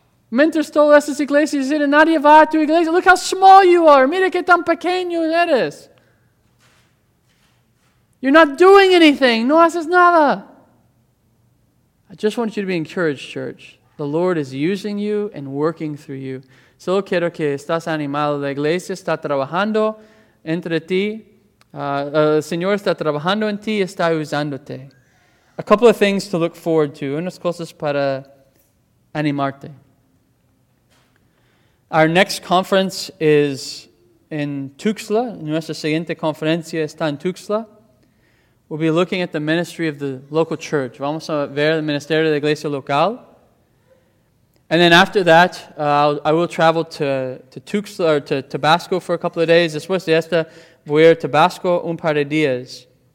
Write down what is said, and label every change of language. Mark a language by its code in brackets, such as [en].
[es] Mientras todas esas iglesias dicen, nadie va a tu iglesia. [en] Look how small you are. [es] Mira que tan pequeño eres. [en] You're not doing anything. [es] No haces nada. [en] I just want you to be encouraged, church. The Lord is using you and working through you. [es] Solo quiero que estás animado. La iglesia está trabajando entre ti. El Señor está trabajando en ti y está usándote. [en] A couple of things to look forward to. [es] Unas cosas para animarte. [en] Our next conference is in Tuxtla. [es] Nuestra siguiente conferencia está en Tuxtla. [en] We'll be looking at the ministry of the local church. [es] Vamos a ver el ministerio de la iglesia local. [en] And then after that, I will travel to Tuxtla or to Tabasco for a couple of days. [es] Después de esta, voy a ir a Tabasco un par de días.